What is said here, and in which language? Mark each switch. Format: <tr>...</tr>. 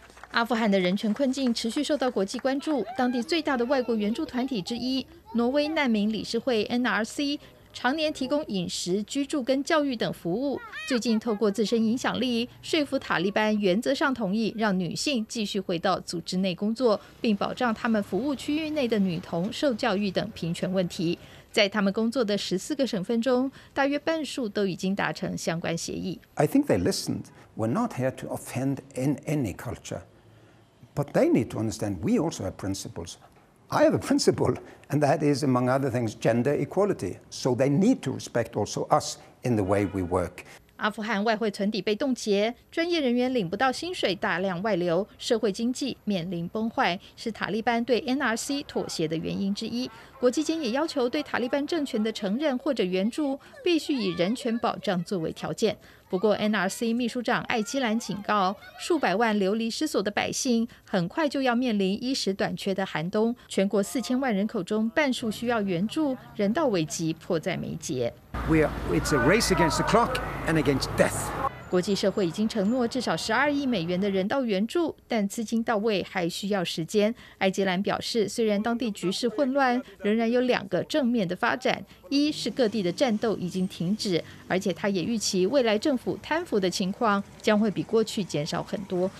<zh>阿富汗的人权困境持续受到国际关注，当地最大的外国援助团体之一挪威难民理事会 NRC 常年提供饮食、居住跟教育等服务，最近透过自身影响力说服塔利班原则上同意让女性继续回到组织内工作，并保障他们服务区域内的女童受教育等平权问题。在他们工作的14个省份中，大约半数都已经达成相关协议。</zh> <en>I think they listened. We're not here to offend in any culture, but they need to understand we also have principles. I have a principle, and that is, among other things, gender equality. So they need to respect also us in the way we work.</en> <zh>阿富汗外汇存底被冻结，专业人员领不到薪水，大量外流，社会经济面临崩坏，是塔利班对 NRC 妥协的原因之一。国际间也要求对塔利班政权的承认或者援助必须以人权保障作为条件。不过 NRC 秘书长艾基兰警告，数百万流离失所的百姓很快就要面临衣食短缺的寒冬，全国4000万人口中半数需要援助，人道危机迫在眉睫。</zh> <en>It's a race against the clock and against death.</en> <zh>国际社会已经承诺至少12亿美元的人道援助，但资金到位还需要时间。艾基兰表示，虽然当地局势混乱，仍然有两个正面的发展，一是各地的战斗已经停止，而且他也预期未来政府贪腐的情况将会比过去减少很多。</zh>